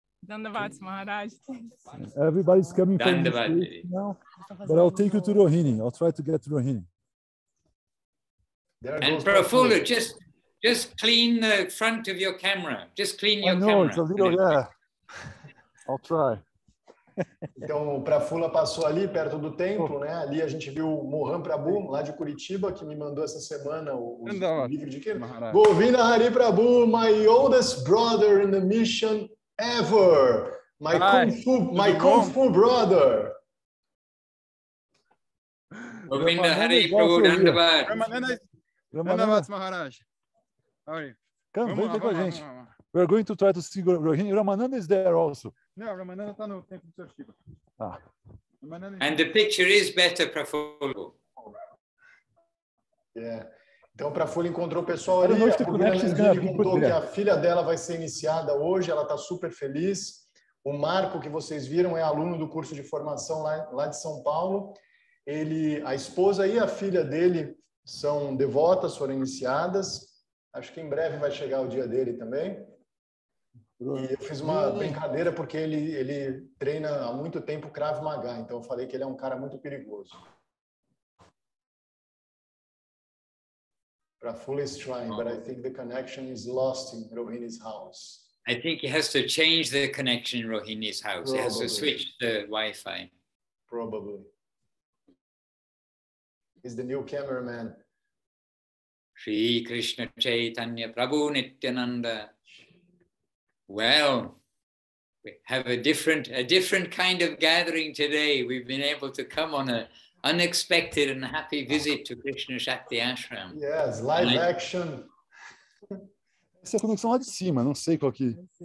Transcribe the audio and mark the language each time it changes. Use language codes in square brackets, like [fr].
[en] Dandavat Maharaj. Everybody's coming from the street now, but I'll take you to Rohini. I'll try to get to Rohini. There and Prafula, just clean the front of your camera. Just clean your camera. It's a little, I'll try. [pt] Então, Prafula passou ali perto do templo, né? Ali a gente viu Mohan Prabhu, lá de Curitiba, que me mandou essa semana o livro de quê? [en] Govinda Hari Prabhu, my oldest brother in the mission. Ever, my kung fu brother. Govinda Hari Prabhu Dandavat. Ramananda Maharaj. How are you? Come, [pt] vem com a gente. [en] We're going to try to see Rohini. Ramananda is there also. [pt] No, Ramananda está no templo de Shiva. [en] And the picture is better, Prafula. [pt] Então, Prafula encontrou o pessoal ali, que a filha dela vai ser iniciada hoje, ela está super feliz. O Marco, que vocês viram, é aluno do curso de formação lá de São Paulo. Ele, a esposa e a filha dele são devotas, foram iniciadas. Acho que em breve vai chegar o dia dele também. E eu fiz uma brincadeira porque ele treina há muito tempo Krav Maga, então eu falei que ele é um cara muito perigoso. [en] Para Fuller's Shrine, but I think the connection is lost in Rohini's house. I think he has to change the connection in Rohini's house. Probably. He has to switch the Wi-Fi. Probably. He's the new cameraman. Sri Krishna Chaitanya Prabhu Nityananda. Well, we have a different kind of gathering today. We've been able to come on an unexpected and happy visit to Krishna Shakti Ashram. Yes, live and action. [pt] Essa é a conexão lá de cima, não sei qual que...